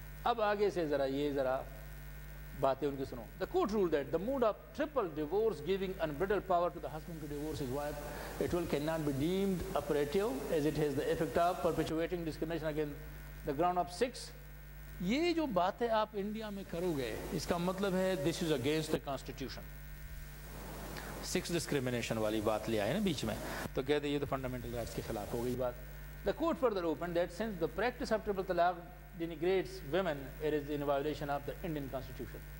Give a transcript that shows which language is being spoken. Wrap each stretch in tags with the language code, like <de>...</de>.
<hi>अब आगे से जरा ये जरा बातें उनकी सुनो।</hi> <en>The court ruled that the mode of triple divorce giving unbridled power to the husband to divorce his wife, it will cannot be deemed operative as it has the effect of perpetuating discrimination against the ground of sex.</en> <hi>ये जो बातें आप India में करोगे इसका मतलब है</hi> <en>This is against the constitution.</en> <hi>Sex discrimination वाली बात ले आए ना बीच में, तो कहते हैं ये तो फंडामेंटल राइट्स के खिलाफ हो गई बात।</hi> <en>The court further open that since the practice of triple तलाक denigrates women it is in violation of the Indian constitution.</en>